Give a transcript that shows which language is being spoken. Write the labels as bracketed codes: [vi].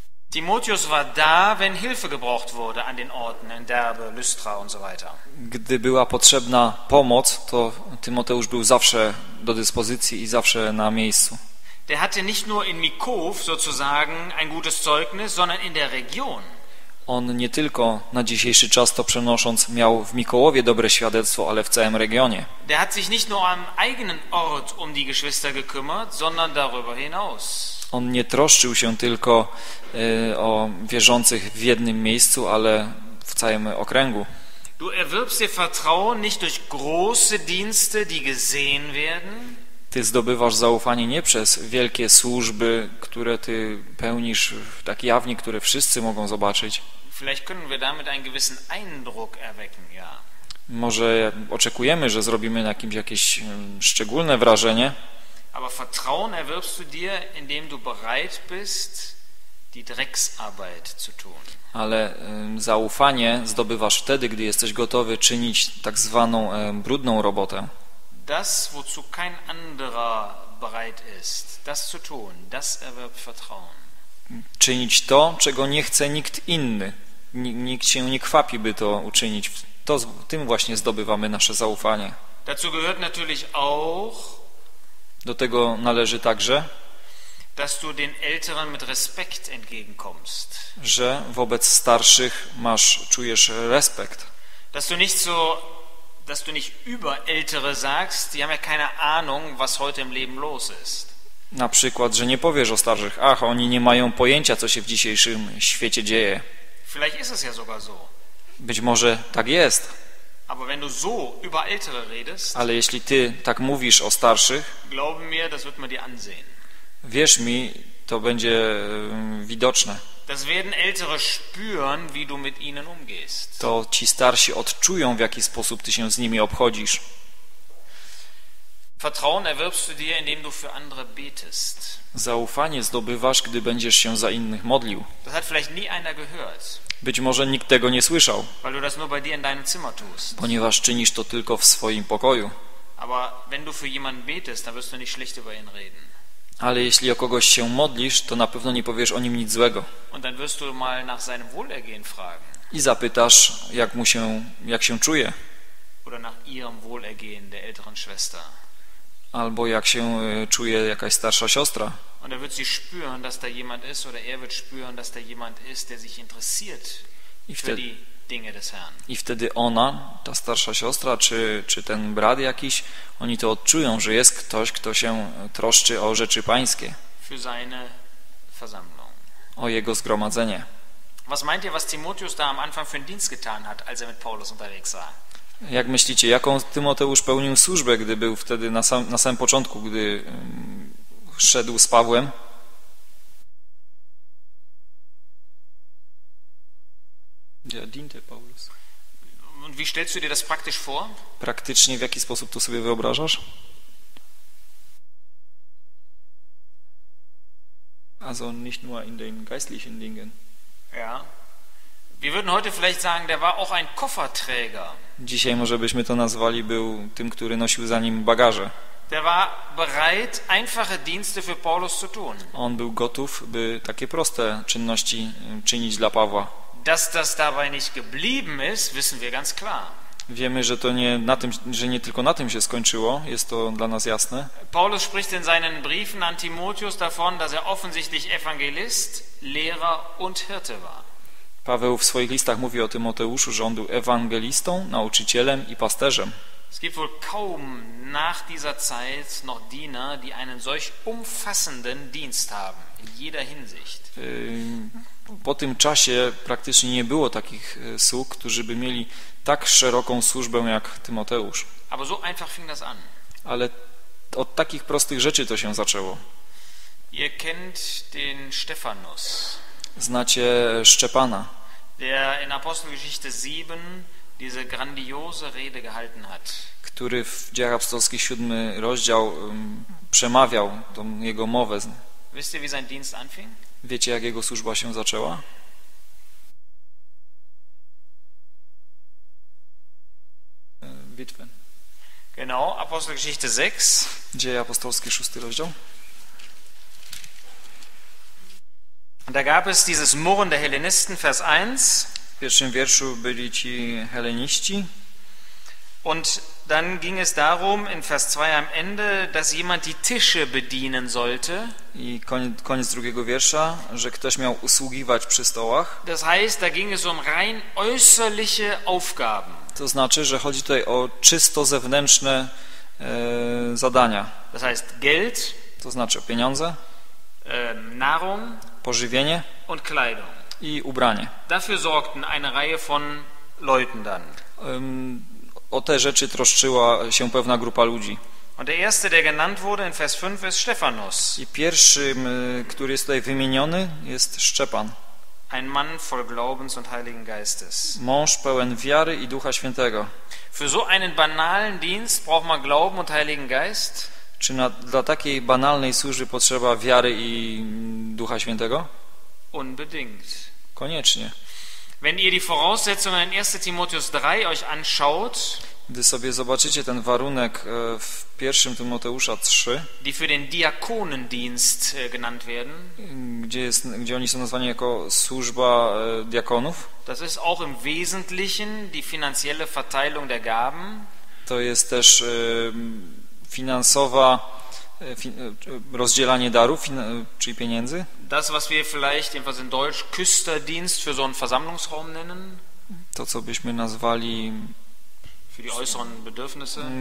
[de] Timotheus war da, wenn Hilfe gebraucht wurde an den Orten in Derbe, Lystra und so weiter. [pl] Gdy była potrzebna pomoc, to Tymoteusz był zawsze do dyspozycji i zawsze na miejscu. [de] Der hatte nicht nur in Mikow sozusagen ein gutes Zeugnis, sondern in der Region. [pl] On nie tylko na dzisiejszy czas to przenosząc miał w Mikołowie dobre świadectwo, ale w całym regionie. [de] Der hat sich nicht nur am eigenen Ort um die Geschwister gekümmert, sondern darüber hinaus. [pl] On nie troszczył się tylko o wierzących w jednym miejscu, ale w całym okręgu. [de] Du erwirbst dir Vertrauen nicht durch große Dienste, die gesehen werden. [pl] Ty zdobywasz zaufanie nie przez wielkie służby, które ty pełnisz tak jawnie, które wszyscy mogą zobaczyć. [de] Vielleicht können wir damit einen gewissen Eindruck erwecken, ja. [pl] Może oczekujemy, że zrobimy jakieś szczególne wrażenie. [de] Aber Vertrauen erwirbst du dir, indem du bereit bist, die Drecksarbeit zu tun. [pl] Ale zaufanie zdobywasz wtedy, gdy jesteś gotowy czynić tak zwaną brudną robotę. [de] Das, wozu kein anderer bereit ist, das zu tun, das erwirbt Vertrauen. [pl] Czynić to, czego nie chce nikt inny. Nikt się nie kwapi, by to uczynić. To tym właśnie zdobywamy nasze zaufanie. [de] Dazu gehört natürlich auch. [pl] Do tego należy także, [de] dass du den älteren mit respekt entgegenkommst. [pl] Że wobec starszych czujesz respekt. [de] Dass du nicht so, dass du nicht über ältere sagst, die haben ja keine Ahnung, was heute im Leben los ist. [pl] Na przykład, że nie powiesz o starszych: ach, oni nie mają pojęcia, co się w dzisiejszym świecie dzieje. [de] Vielleicht ist es ja sogar so. [pl] Być może tak jest. [de] Aber wenn du so über ältere redest, [pl] ale jeśli ty tak mówisz o starszych, [de] glauben mir, das wird man dir ansehen. [pl] Wierz mi, to będzie widoczne. [de] Das werden ältere spüren, wie du mit ihnen umgehst. [pl] To ci starsi odczują, w jaki sposób ty się z nimi obchodzisz. [de] Vertrauen erwirbst du dir, indem du für andere betest. [pl] Zaufanie zdobywasz, gdy będziesz się za innych modlił. [de] Das hat vielleicht nie einer gehört. [pl] Być może nikt tego nie słyszał. [de] Weil du das nur bei dir in deinem Zimmer tust. [pl] Ponieważ czynisz to tylko w swoim pokoju. [de] Aber wenn du für jemanden betest, dann wirst du nicht schlecht über ihn reden. [pl] Ale jeśli o kogoś się modlisz, to na pewno nie powiesz o nim nic złego. [de] Und dann wirst du mal nach seinem Wohlergehen fragen. [pl] I zapytasz, jak się czuje. [de] Oder nach ihrem Wohlergehen der älteren Schwester. [pl] Albo jak się czuje jakaś starsza siostra. [de] Und er wird sie spüren, dass da jemand ist, oder er wird spüren, dass da jemand ist, der sich interessiert für die Dinge des Herrn. [pl] I wtedy ona, ta starsza siostra, czy ten brat jakiś, oni to odczują, że jest ktoś, kto się troszczy o rzeczy pańskie. [de] Für seine Versammlung. [pl] O jego zgromadzenie. [de] Was meint ihr, was Timotheus da am Anfang für einen Dienst getan hat, als er mit Paulus unterwegs war? [pl] Jak myślicie, jaką Tymoteusz pełnił służbę, gdy był wtedy na samym początku, gdy szedł z Pawłem? [de] Ja diente Paulus. Und wie stellst du dir das praktisch vor? [pl] Praktycznie w jaki sposób to sobie wyobrażasz? [de] Also nicht nur in den geistlichen Dingen. Ja. Wir würden heute vielleicht sagen, der war auch ein Kofferträger. [pl] Dzisiaj może byśmy to nazwali, był tym, który nosił za nim bagaże. [de] Der war bereit, einfache Dienste für Paulus zu tun. [pl] On był gotów, by takie proste czynności czynić dla Pawła. [de] Dass das dabei nicht geblieben ist, wissen wir ganz klar. [pl] Wiemy, że to nie na tym, że nie tylko na tym się skończyło, jest to dla nas jasne. [de] Paulus spricht in seinen Briefen an Timotheus davon, dass er offensichtlich Evangelist, Lehrer und Hirte war. [pl] Paweł w swoich listach mówi o Tymoteuszu, że on był ewangelistą, nauczycielem i pasterzem. [de] Es gibt wohl kaum nach dieser Zeit noch Diener, die einen solch umfassenden Dienst haben in jeder Hinsicht. [pl] Po tym czasie praktycznie nie było takich sług, którzy by mieli tak szeroką służbę jak Tymoteusz. [de] Aber so einfach fing das an. [pl] Ale od takich prostych rzeczy to się zaczęło. [de] Ihr kennt den Stephanus. [pl] Znacie Szczepana. [de] Der in Apostelgeschichte 7 diese grandiose Rede gehalten hat. [pl] Który w Dziejach Apostolskich 7 rozdział przemawiał tą jego mowę. [de] Wisst ihr, wie sein Dienst anfing? [pl] Wiecie, jak jego służba się zaczęła? [de] Witwen. Genau, Apostelgeschichte 6. [pl] Dzieje Apostolskie, 6 rozdział. [de] Da gab es dieses Murren der Hellenisten, Vers 1. [pl] W pierwszym wierszu byli ci Helleniści. [de] Und dann ging es darum, in Vers 2 am Ende, dass jemand die Tische bedienen sollte. [pl] I koniec drugiego wiersza, że ktoś miał usługiwać przy stołach. [de] Das heißt, da ging es um rein äußerliche Aufgaben. [pl] To znaczy, że chodzi tutaj o czysto zewnętrzne zadania. [de] Das heißt, Geld. [pl] To znaczy o pieniądze. [de] Nahrung. [pl] Pożywienie. [de] Und Kleidung. [pl] I ubranie. [de] Dafür sorgten eine Reihe von Leuten dann. [pl] O te rzeczy troszczyła się pewna grupa ludzi. [de] Und der erste, der genannt wurde in Vers 5, ist Stephanus. [pl] I pierwszym, który jest tutaj wymieniony, jest Szczepan. [de] Ein Mann voll Glaubens und Heiligen Geistes. [pl] Mąż pełen wiary i Ducha Świętego. [de] Für so einen banalen Dienst braucht man Glauben und Heiligen Geist? [pl] Czy dla takiej banalnej służby potrzeba wiary i Ducha Świętego? [de] Unbedingt. [pl] Koniecznie. [de] Wenn ihr die Voraussetzungen in 1. Timotheus 3 euch anschaut, [pl] gdy sobie zobaczycie ten warunek w 1. Tymoteusza 3, [de] die für den Diakonendienst genannt werden, [pl] gdzie oni są nazwani jako służba diakonów, [de] das ist auch im Wesentlichen die finanzielle Verteilung der Gaben, [pl] to jest też finansowa rozdzielanie darów, czyli pieniędzy. [de] Das, was wir vielleicht jedenfalls in Deutsch Küsterdienst für so einen Versammlungsraum nennen. [pl] To, co byśmy nazwali [de] für die äußeren Bedürfnisse.